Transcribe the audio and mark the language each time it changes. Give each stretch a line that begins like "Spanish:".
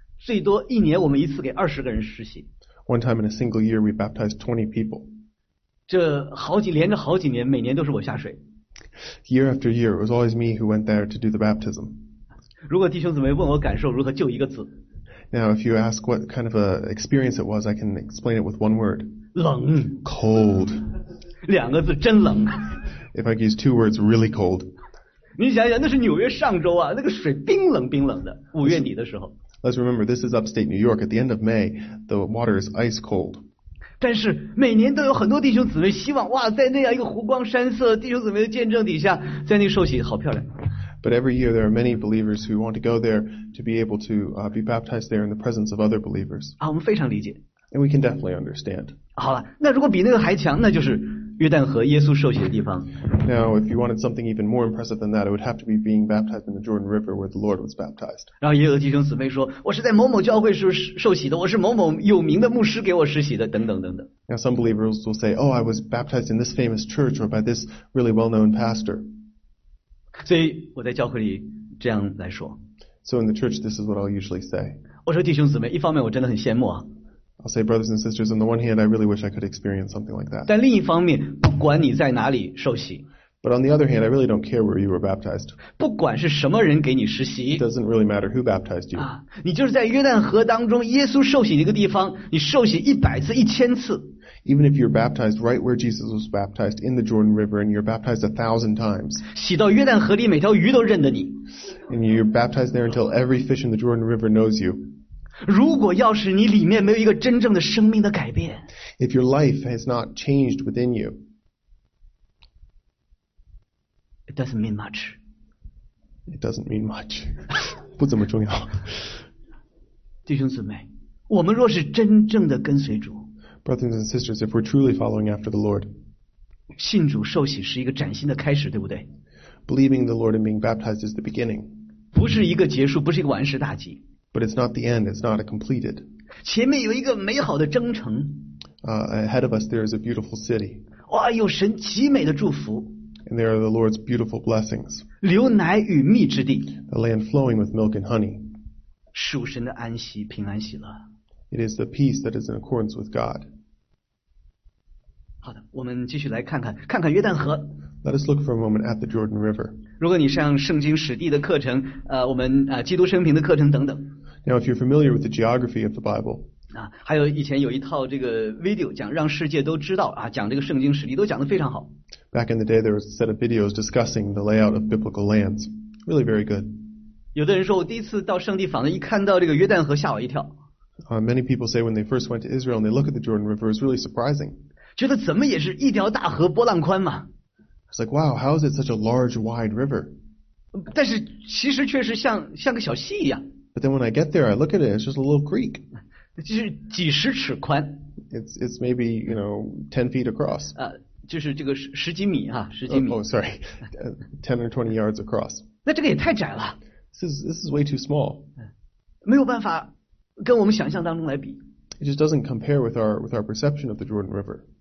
Chinese: 最多一年我们一次给二十个人实习。
English: One time in a single year, we baptized 20 people.
Chinese: 这好几连着好几年，每年都是我下水。
English: Year after year, it was always me who went there to do the baptism.
Chinese: 如果弟兄姊妹问我感受如何，就一个字。
English: Now, if you ask what kind of a experience it was, I can explain it with one word.
Chinese: 冷。
English: Cold.
Chinese: 两个字，真冷。
English: If I could use two words, really cold.
Chinese: 你想想，那是纽约上周啊，那个水冰冷冰冷的，五月底的时候。
English: Let's remember, this is upstate New York. At the end of May, the water is ice cold.
Chinese: 但是每年都有很多弟兄姊妹希望，哇，在那样一个湖光山色、弟兄姊妹的见证底下，在那受洗，好漂亮。
English: But every year there are many believers who want to go there to be able to be baptized there in the presence of other believers.
Chinese: 啊，我们非常理解。
English: And we can definitely understand.
Chinese: 好了，那如果比那个还强，那就是约旦河耶稣受洗的地方。
English: Now, if you wanted something even more impressive than that, it would have to be being baptized in the Jordan River where the Lord was baptized.
Chinese: 然后也有弟兄姊妹说，我是在某某教会受洗的，我是某某有名的牧师给我实习的，等等等等。
English: Now, some believers will say, oh, I was baptized in this famous church or by this really well-known pastor.
Chinese: 所以我在教会里这样来说。
English: So in the church, this is what I'll usually say.
Chinese: 我说弟兄姊妹，一方面我真的很羡慕啊。
English: I'll say, brothers and sisters, on the one hand, I really wish I could experience something like that.
Chinese: 但另一方面，不管你在哪里受洗。
English: But on the other hand, I really don't care where you were baptized.
Chinese: 不管是什么人给你施洗。
English: It doesn't really matter who baptized you.
Chinese: 你就是在约旦河当中耶稣受洗的一个地方，你受洗一百次、一千次。
English: Even if you're baptized right where Jesus was baptized in the Jordan River and you're baptized 1,000 times.
Chinese: 洗到约旦河里每条鱼都认得你。
English: And you're baptized there until every fish in the Jordan River knows you.
Chinese: 如果要是你里面没有一个真正的生命的改变。
English: If your life has not changed within you. It doesn't mean much. It doesn't mean much.
Chinese: 不怎么重要。弟兄姊妹，我们若是真正的跟随主。
English: Brothers and sisters, if we're truly following after the Lord.
Chinese: 信主受洗是一个崭新的开始，对不对？
English: Believing the Lord and being baptized is the beginning.
Chinese: 不是一个结束，不是一个完事大吉。
English: But it's not the end, it's not a completed.
Chinese: 前面有一个美好的征程。
English: Ahead of us there is a beautiful city.
Chinese: 哇，有神极美的祝福。
English: And there are the Lord's beautiful blessings.
Chinese: 流奶与蜜之地。
English: A land flowing with milk and honey.
Chinese: 属神的安息，平安喜乐。
English: It is the peace that is in accordance with God.
Chinese: 好的，我们继续来看看，看看约旦河。
English: Let us look for a moment at the Jordan River.
Chinese: 如果你上圣经史地的课程，我们基督生平的课程等等。
English: Now, if you're familiar with the geography of the Bible.
Chinese: 还有以前有一套这个 video 讲让世界都知道啊，讲这个圣经史地都讲得非常好。
English: Back in the day, there was a set of videos discussing the layout of biblical lands. Really very good.
Chinese: 有的人说我第一次到圣地访的，一看到这个约旦河吓我一跳。
English: Many people say when they first went to Israel and they look at the Jordan River, it's really surprising.
Chinese: 觉得怎么也是一条大河波浪宽嘛。
English: It's like, wow, how is it such a large, wide river?
Chinese: 但是其实确实像个小溪一样。
English: But then when I get there, I look at it, it's just a little creek.
Chinese: 就是几十尺宽。
English: It's maybe, you know, 10 feet across.
Chinese: 就是这个十几米啊，十几米。
English: Oh, sorry, 10 or 20 yards across.
Chinese: 那这个也太窄了。
English: This is way too small.
Chinese: 没有办法跟我们想象当中来比。
English: It just doesn't compare with our perception of the Jordan River.